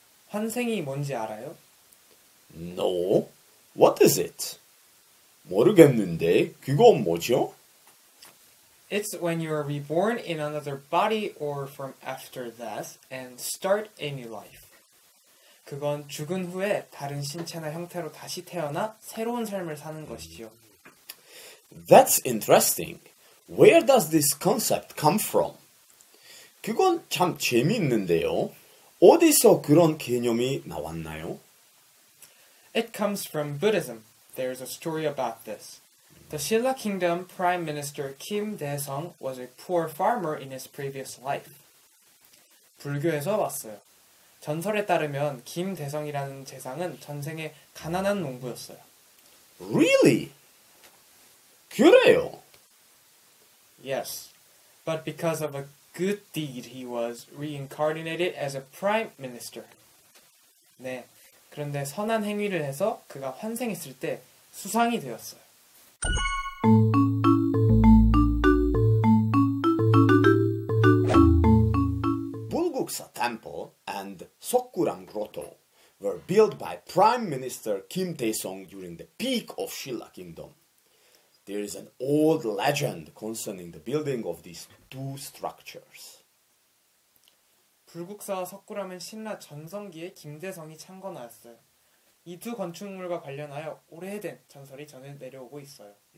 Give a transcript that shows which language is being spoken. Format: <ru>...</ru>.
<ko>환생이 뭔지 알아요?</ko> <en>No. What is it?</en> <ko>모르겠는데, 그건 뭐죠?</ko> <en>It's when you are reborn in another body or from after death and start a new life.</en> <ko>그건 죽은 후에 다른 신체나 형태로 다시 태어나 새로운 삶을 사는 것이죠.</ko> <en>That's interesting. Where does this concept come from?</en> <ko>그건 참 재미있는데요. 어디서 그런 개념이 나왔나요?</ko> <en>It comes from Buddhism. There's a story about this. The Silla Kingdom Prime Minister Kim Dae-sung was a poor farmer in his previous life.</en> <ko>불교에서 왔어요. 전설에 따르면 김 대성이라는 재상은 전생에 가난한 농부였어요.</ko> <en>Really?</en> <ko>그래요?</ko> <en>Yes. But because of a good deed, he was reincarnated as a prime minister.</en> <ko>네. 그런데 선한 행위를 해서 그가 환생했을 때 수상이 되었어요.</ko> <en>Bulguksa Temple and Seokguram Grotto were built by Prime Minister Kim Dae-sung during the peak of Silla Kingdom. There is an old legend concerning the building of these two structures.</en> <ko>불국사 석굴암은 신라 전성기에 김대성이 창건하였어요. 이 두 건축물과 관련하여 오래된 전설이 전해 내려오고 있어요.</ko>